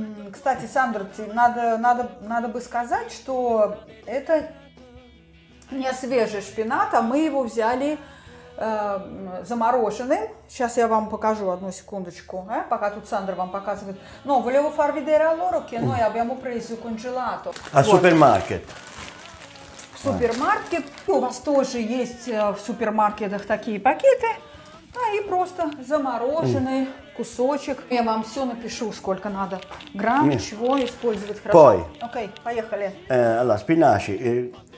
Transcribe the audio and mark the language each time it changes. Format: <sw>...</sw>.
<ru>Кстати, Сандро, надо бы сказать, что это не свежий шпинат, а мы его взяли замороженным. Сейчас я вам покажу одну секундочку, пока тут Сандро вам показывает.</ru> <it>No, volevo far vedere a loro che noi abbiamo preso congelato.</it> <en>A supermarket.</en> <ru>В супермаркет. У вас тоже есть в супермаркетах такие пакеты. А и просто замороженный кусочек. Я вам все напишу, сколько надо грамм, чего использовать. Хорошо.</ru> <it>Poi.</it> <ru>Окей, поехали.</ru> <it>Allora, спинаши.</it>